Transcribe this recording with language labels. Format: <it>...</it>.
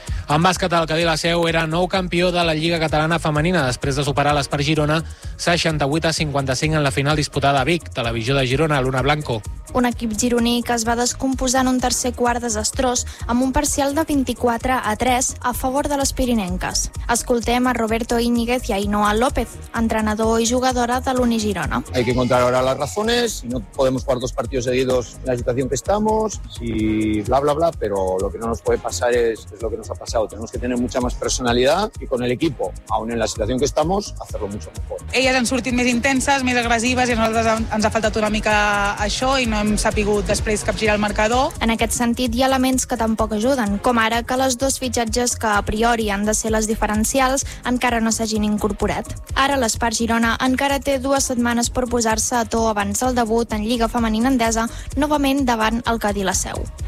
<ca>En bàsquet, el Cadí Laseu era nou campió de la Lliga Catalana Femenina després de superar l'Espar Girona 68-55 en la final disputada a Vic. Televisió de Girona, Luna Blanco. Un equip gironí que es va descomposar en un tercer quart desastrós amb un parcial de 24-3 a favor de les pirinenques. Escoltem a Roberto Íñiguez i a Ainhoa López, entrenador i jugadora de l'Uni Girona.</ca> <es>Hay que encontrar ahora las razones. No podemos jugar dos partidos seguidos en la situación que estamos. Sí, bla, bla, bla. Pero lo que no nos puede pasar es lo que nos ha pasado. Tenemos que tener mucha más personalidad y con el equipo, aún en la situación que estamos, hacerlo mucho mejor.</es> <ca>Elles han sortit més intenses, més agressives i a nosaltres ens ha faltat una mica això i no hem sabut després capgirar el marcador. En aquest sentit, hi ha elements que tampoc ajuden, com ara que les dos fitxatges que a priori han de ser les diferencials encara no s'hagin incorporat. Ara l'Espar Girona encara té 2 setmanes per posar-se a to abans del debut en Lliga Femenina Endesa, novament davant el Cadí Laseu.</ca>